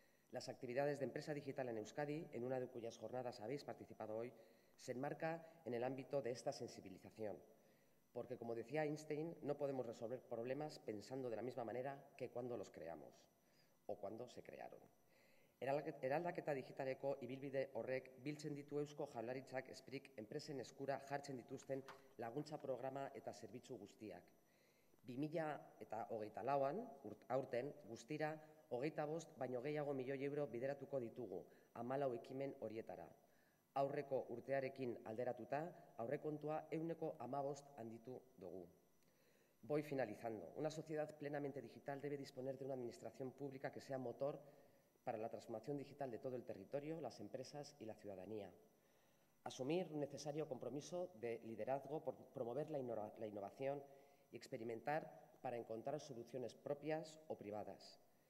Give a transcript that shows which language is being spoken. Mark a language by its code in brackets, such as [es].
[es] Las actividades de empresa digital en Euskadi, en una de cuyas jornadas habéis participado hoy, se enmarca en el ámbito de esta sensibilización, porque, como decía Einstein, no podemos resolver problemas pensando de la misma manera que cuando los creamos o cuando se crearon. [eu] Eraldaketa digitaleko ibilbide horrek biltzen ditu Eusko Jaurlaritzak Sprik enpresen eskura jartzen dituzten laguntza programa eta zerbitzu guztiak. 2024an, aurten, guztira, 25 baino gehiago milioi euro bideratuko ditugu, 14 ekimen horietara. Aurreko urtearekin alderatuta, aurrekontua 115 handitu dugu. [es] Voy finalizando. Una sociedad plenamente digital debe disponer de una administración pública que sea motor para la transformación digital de todo el territorio, las empresas y la ciudadanía. Asumir un necesario compromiso de liderazgo por promover la innovación y experimentar para encontrar soluciones propias o privadas.